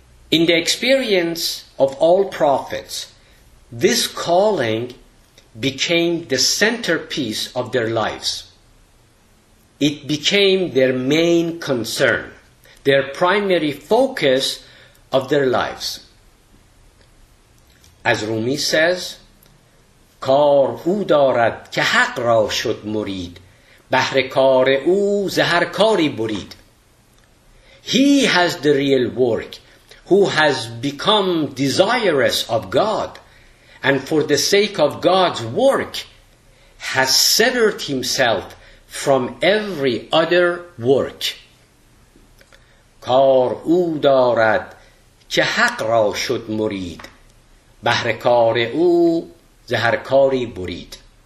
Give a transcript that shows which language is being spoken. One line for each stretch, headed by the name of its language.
English: In the experience of all prophets, this calling became the centerpiece of their lives. It became their main concern, their primary focus of their lives. As Rumi says,
Persian: کار او دارد که حق را شد مرید بهر کار او زهر کاری برید.
English: He has the real work, who has become desirous of God, and for the sake of God's work has severed himself from every other work.
Persian: کار او دارد که حق را شد مرید بهر کار او زهر کاری برید.